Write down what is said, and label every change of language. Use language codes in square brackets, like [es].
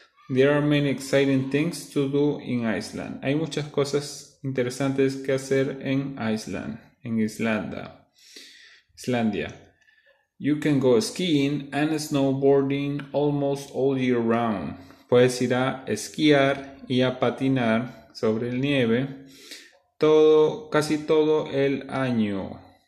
[en] There are many exciting things to do in Iceland. [es] Hay muchas cosas interesantes que hacer en Iceland, en Islandia. [en] You can go skiing and snowboarding almost all year round. [es] Puedes ir a esquiar y a patinar sobre el nieve casi todo el año.